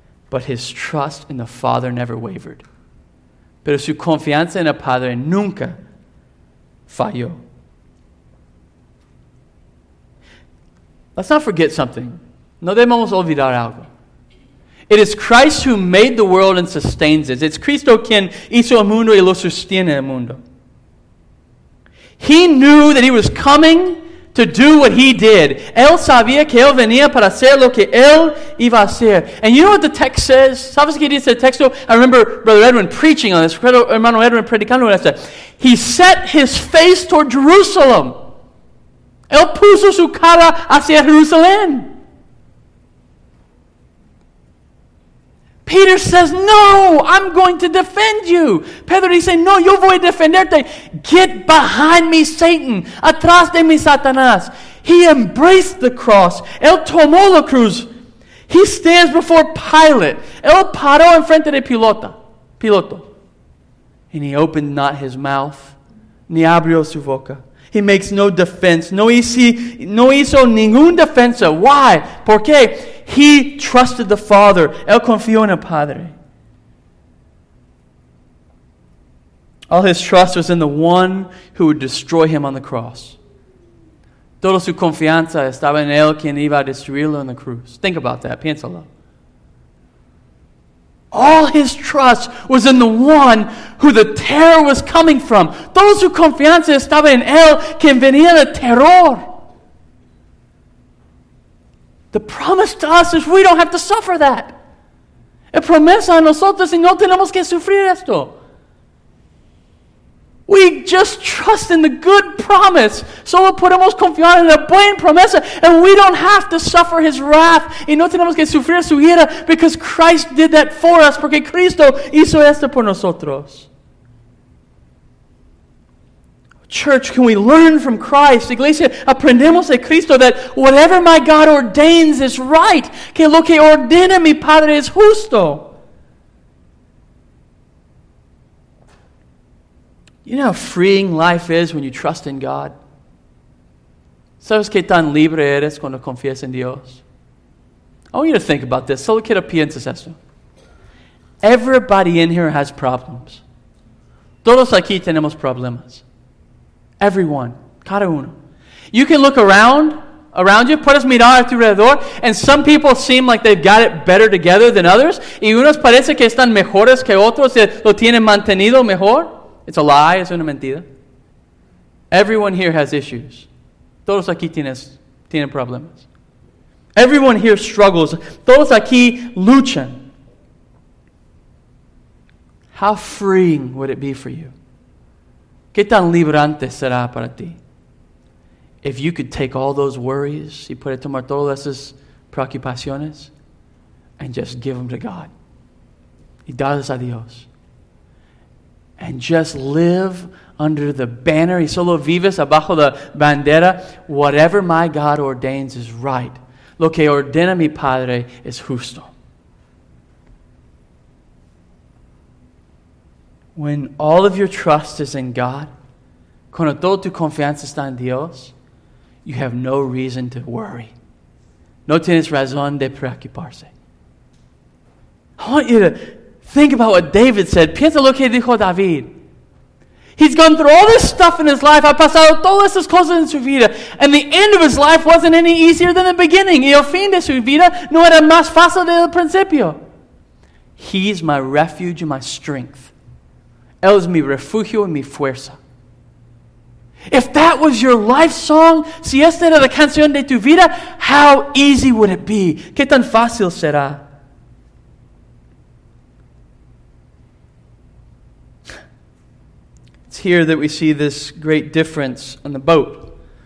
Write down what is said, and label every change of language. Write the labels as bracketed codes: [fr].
[en] But his trust in the Father never wavered. [es] Pero su confianza en el Padre nunca falló. [en] Let's not forget something. [es] No debemos olvidar algo. [en] It is Christ who made the world and sustains it. [es] It's Cristo quien hizo el mundo y lo sostiene el mundo. [en] He knew that he was coming to do what he did. [es] Él sabía que él venía para hacer lo que él iba a hacer. [en] And you know what the text says? [es] ¿Sabes qué dice el texto? [en] I remember Brother Edwin preaching on this. [es] Hermano Edwin predicando en esto. [en] He set his face toward Jerusalem. [es] Él puso su cara hacia Jerusalén. [en] Peter says, no, I'm going to defend you. [es] Pedro dice, no, yo voy a defenderte. [en] Get behind me, Satan. [es] Atrás de mí, Satanás. [en] He embraced the cross. [es] Él tomó la cruz. [en] He stands before Pilate. [es] Él paró en frente de Piloto. [en] And he opened not his mouth, [es] ni abrió su boca. [en] He makes no defense. [es] No hizo ningún defensa. [en] Why? [es] ¿Por qué? [en] He trusted the Father. [es] Él confió en el Padre. [en] All his trust was in the one who would destroy him on the cross. [es] Toda su confianza estaba en él quien iba a destruirlo en la cruz. [en] Think about that. [es] Piénsalo. [en] All his trust was in the one who the terror was coming from. [es] Toda su confianza estaba en él quien venía el terror. [en] The promise to us is we don't have to suffer that. [es] El promesa a nosotros y no tenemos que sufrir esto. [en] We just trust in the good promise. [es] Solo podemos confiar en la buena promesa. [en] And we don't have to suffer his wrath. [es] Y no tenemos que sufrir su ira. [en] Because Christ did that for us. [es] Porque Cristo hizo esto por nosotros. [en] Church, can we learn from Christ? [es] Iglesia, aprendemos de Cristo [en] that whatever my God ordains is right. [es] Que lo que ordena mi Padre es justo. [en] You know how freeing life is when you trust in God? [es] ¿Sabes qué tan libre eres cuando confías en Dios? [en] I want you to think about this. [es] Solo quiero pienses esto. [en] Everybody in here has problems. [es] Todos aquí tenemos problemas. [en] Everyone. [es] Cada uno. [en] You can look around you. [es] Puedes mirar a tu alrededor. [en] And some people seem like they've got it better together than others. [es] Y unos parece que están mejores que otros. Lo tienen mantenido mejor. [en] It's a lie. [es] Es una mentira. [en] Everyone here has issues. [es] Todos aquí tienen problemas. [en] Everyone here struggles. [es] Todos aquí luchan. [en] How freeing would it be for you? [es] ¿Qué tan liberante será para ti? [en] If you could take all those worries [es] y puede tomar todas esas preocupaciones [en] and just give them to God. [es] Y darles a Dios. [en] And just live under the banner. [es] Y solo vives abajo la bandera. [en] Whatever my God ordains is right. [es] Lo que ordena mi Padre es justo. [en] When all of your trust is in God, [es] cuando toda tu confianza está en Dios, [en] you have no reason to worry. [es] No tienes razón de preocuparse. [en] I want you to think about what David said. [es] Piensa lo que dijo David. [en] He's gone through all this stuff in his life. [es] Ha pasado todas esas cosas en su vida. [en] And the end of his life wasn't any easier than the beginning. [es] Y el fin de su vida no era más fácil del principio. [en] He's my refuge and my strength. [es] Él es mi refugio y mi fuerza. [en] If that was your life song, [es] si esta era la canción de tu vida, [en] how easy would it be? [es] ¿Qué tan fácil será? [en] It's here that we see this great difference in the boat.